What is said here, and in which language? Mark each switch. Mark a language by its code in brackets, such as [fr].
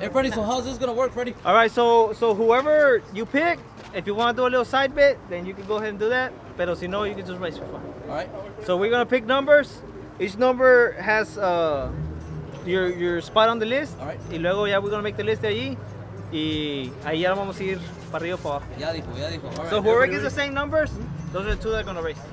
[en] Hey Freddy, so how's this gonna work, Freddy? Alright, so whoever you pick, if you wanna do a little side bit, then you can go ahead and do that. [es] Pero si no, [en] you can just raise your phone. Alright. So we're gonna pick numbers. Each number has your spot on the list. Alright. [es] Y luego ya [en] we're gonna make the list [es] de allí. Y ahí ya vamos a ir para arriba o para abajo. Ya dijo. [en] All right. So whoever gets the same numbers, those are the two that are gonna race.